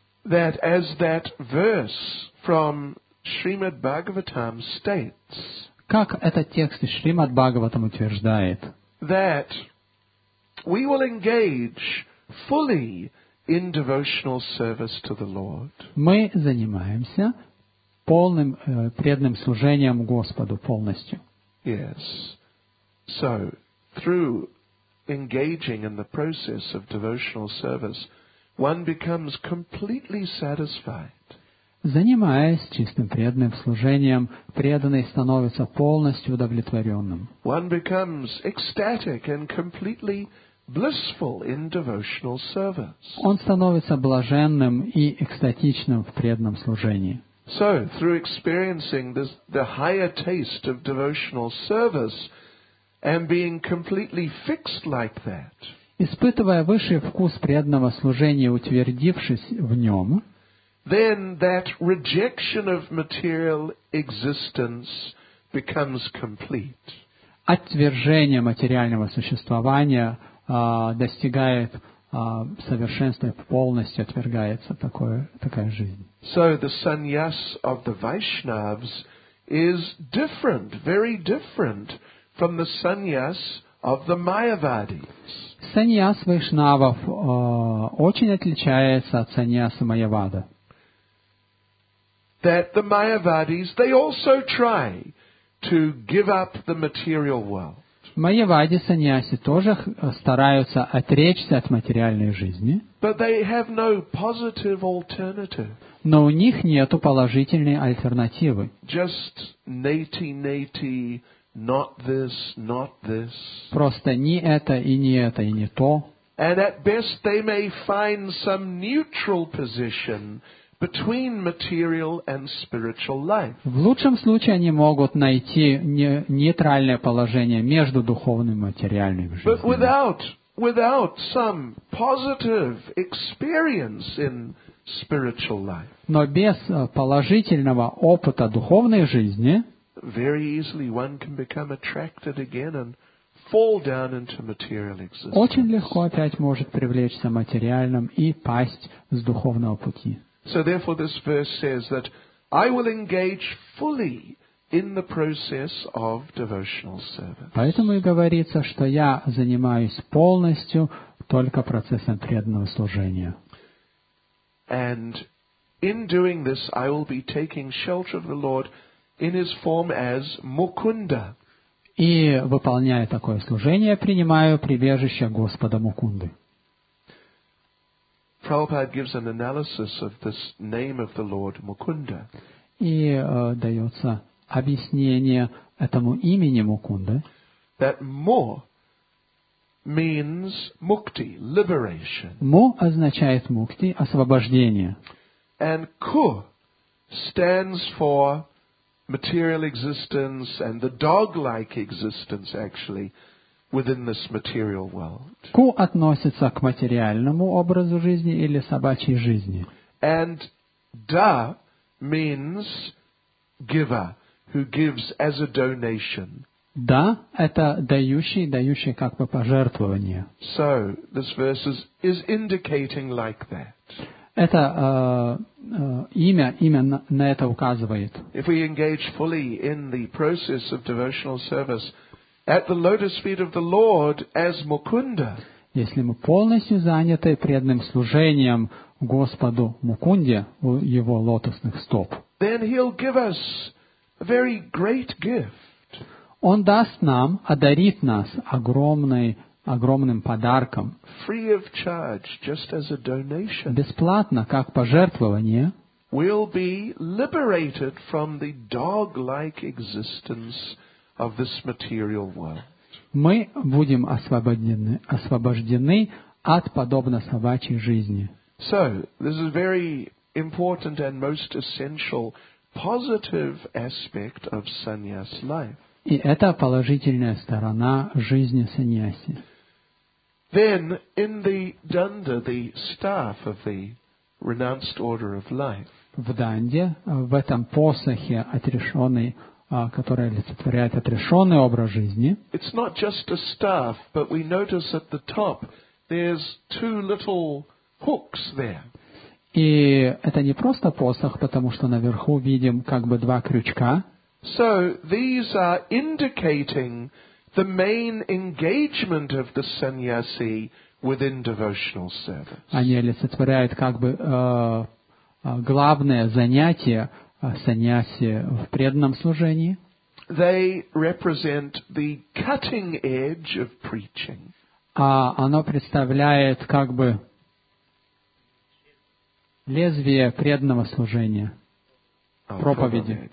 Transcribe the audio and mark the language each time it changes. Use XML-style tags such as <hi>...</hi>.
<en>That as that verse from Srimad Bhagavatam states.</en> <ru>Как этот текст из Шримад Бхагаватам утверждает?</ru> <en>That we will engage fully in devotional service to the Lord.</en> <ru>Мы занимаемся полным преданным служением Господу полностью.</ru> <en>Yes. So, through engaging in the process of devotional service, one becomes completely satisfied.</en> <ru>Занимаясь чистым преданным служением, преданный становится полностью удовлетворенным.</ru> <en>One becomes ecstatic and completely blissful in devotional service.</en> <ru>Он становится блаженным и экстатичным в преданном служении.</ru> <en>So, through experiencing this, the higher taste of devotional service and being completely fixed like that.</en> <ru>Испытывая высший вкус преданного служения, утвердившись в нем,</ru> <en>then that rejection of material existence becomes complete.</en> <ru>Отвержение материального существования достигает совершенства, полностью отвергается такая жизнь.</ru> <en>So the sannyas of the Vaishnavas is different, very different from the sannyas of the Mayavadis.</en> <ru>Саньяс Вайшнавов очень отличается от саньяса Майявады.</ru> <en>That the Mayavadis, they also try to give up the material world.</en> <ru>Майявади саньяси тоже стараются отречься от материальной жизни.</ru> <en>But they have no positive alternative.</en> <ru>Но у них нету положительной альтернативы.</ru> <en>Just neti-neti, not this, not this.</en> <ru>Просто не это и не это и не то.</ru> <en>And at best they may find some neutral position between material and spiritual life.</en> <ru>В лучшем случае они могут найти нейтральное положение между духовным и материальным жизнью.</ru> <en>But without some positive experience in spiritual life.</en> <ru>Но без положительного опыта духовной жизни,</ru> <en>very easily one can become attracted again and fall down into material existence.</en> <ru>Очень легко опять может привлечься материальным и пасть с духовного пути.</ru> <en>So therefore this verse says that I will engage fully in the process of devotional service.</en> <ru>Поэтому и говорится, что я занимаюсь полностью только процессом преданного служения.</ru> <en>And in doing this I will be taking shelter of the Lord in his form as Mukunda.</en> <ru>И, выполняя такое служение, принимаю прибежище Господа Мукунды.</ru> <en>Prabhupada gives an analysis of this name of the Lord Mukunda.</en> <ru>И дается объяснение этому имени Мукунды.</ru> <en>That mu means mukti, liberation.</en> <ru>Mu означает мукти, освобождение.</ru> <en>And ku stands for material existence and the dog-like existence actually within this material world.</en> <ru>Ку относится к материальному образу жизни или собачьей жизни.</ru> <en>And da means giver, who gives as a donation.</en> <ru>Да, это дающий, дающий как бы пожертвование.</ru> <en>So this verse is indicating like that.</en> <ru>Это имя именно на это указывает.</ru> <en>If we engage fully in the process of devotional service at the lotus feet of the Lord as Mukunda.</en> <ru>Если мы полностью заняты преданным служением Господу Мукунде у его лотосных стоп.</ru> <en>Then he'll give us a very great gift.</en> <ru>Он даст нам, одарит нас огромным подарком.</ru> <en>Free of charge, just as a donation.</en> <ru>Бесплатно, как пожертвование.</ru> <en>We'll be liberated from the dog-like existence of this material world.</en> <ru>Мы будем освобождены от подобно собачьей жизни.</ru> <en>So, this is a very important and most essential positive aspect of sannyas life.</en> <ru>И это положительная сторона жизни саньяси.</ru> <en>Then, in the danda, the staff of the renounced order of life.</en> <ru>В данде, в этом посохе отрешенный, которая олицетворяет отрешенный образ жизни.</ru> <en>It's not just a staff, but we notice at the top there's two little hooks there.</en> <ru>И это не просто посох, потому что наверху видим как бы два крючка.</ru> <en>So these are indicating the main engagement of the sannyasi within devotional service.</en> <ru>Они олицетворяют как бы главное занятие саньяси в преданном служении.</ru> <en>They represent the cutting edge of preaching.</en> <ru>А оно представляет как бы лезвие преданного служения, проповеди.</ru>